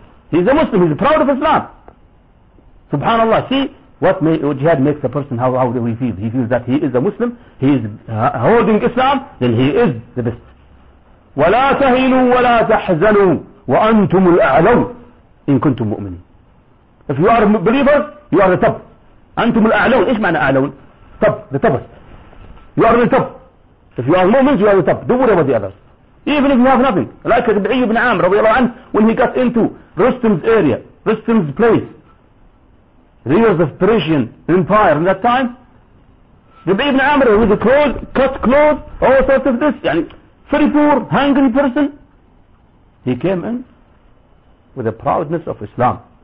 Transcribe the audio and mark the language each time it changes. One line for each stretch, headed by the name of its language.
English: He's a Muslim, he's proud of Islam. Subhanallah, see what jihad makes a person, how he feels. He feels that he is a Muslim, he is holding Islam, then he is the best.
Arabic: وَلَا تَهِنُوا وَلَا تَحْزَنُوا وَأَنْتُمُ الْأَعْلَوْا إِن كُنْتُمْ مُؤْمِنِينَ.
English: If you are believers, you are the top.
Arabic: أنتم الأعلون, إيش معنى أعلون؟
English: Top, the topest. You are the top. If you are Muslims, you are the top. Do whatever the others. Even if you have nothing. Like Rabi'i ibn Amr,
Arabic: رضي الله عنه,
English: when he got into Rustam's area, Rustam's place, rears of Persian Empire in that time, Rabi'i ibn Amr, with the clothes, cut clothes, all sorts of this, يعني, very poor, hungry person, he came in with the proudness of Islam.